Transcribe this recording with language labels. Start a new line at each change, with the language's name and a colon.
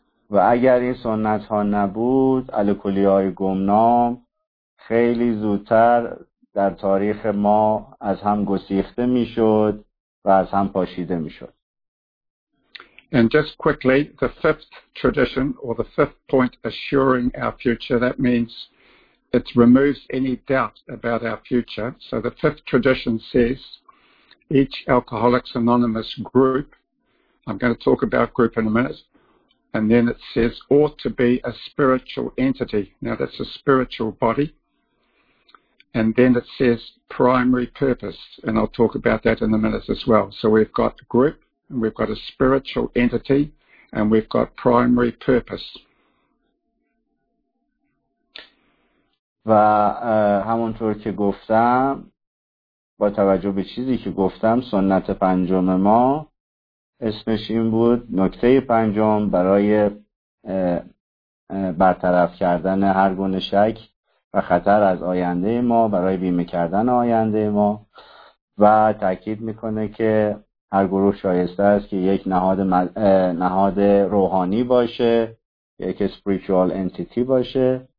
Persian: و اگر این سنت ها نبود، الکلی های گمنام خیلی زودتر در تاریخ ما از هم گسیخته میشد و از هم پاشیده میشد.
English: And just quickly, the fifth tradition or the fifth point assuring our future, that means it removes any doubt about our future. So the fifth tradition says each Alcoholics Anonymous group, I'm going to talk about group in a minute, and then it says ought to be a spiritual entity. Now that's a spiritual body. And then it says primary purpose, and I'll talk about that in a minute as well. So we've got group, and we've got a spiritual entity, and we've got primary purpose.
Persian: و همونطور که گفتم، با توجه به چیزی که گفتم، سنت پنجم ما اسمش این بود، نکته پنجم برای برطرف کردن هر گونه شک و خطر از آینده ما، برای بیمه کردن آینده ما، و تأکید میکنه که هر گروه شایسته است که یک نهاد روحانی باشه، یک
English: spiritual entity
Persian: باشه.